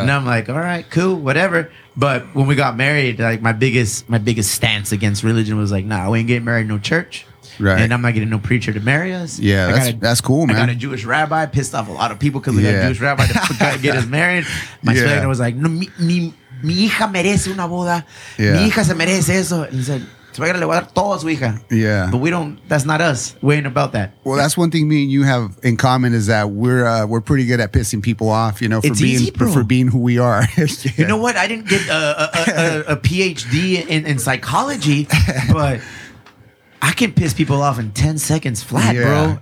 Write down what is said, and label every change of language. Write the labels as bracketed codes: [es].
[en] And I'm like, all right, cool, whatever. But when we got married, like, my biggest stance against religion was like, nah, we ain't getting married in no church. Right. And I'm not getting no preacher to marry us. Yeah, that's cool, man. I got a Jewish rabbi. Pissed off a lot of people because we got a Jewish rabbi to get us married. My spirit was like, no, [es] mi hija merece una boda. Yeah. Mi hija se merece eso. [en] And he said, [es] suegra, le voy a dar todo a su hija. [en] Yeah. But we don't, that's not us. We ain't about that. Well, that's one thing me and you have in common is that we're pretty good at pissing people off, you know, for being who we are. Yeah. You know what? I didn't get a PhD in psychology, but I can piss people off in 10 seconds flat, bro.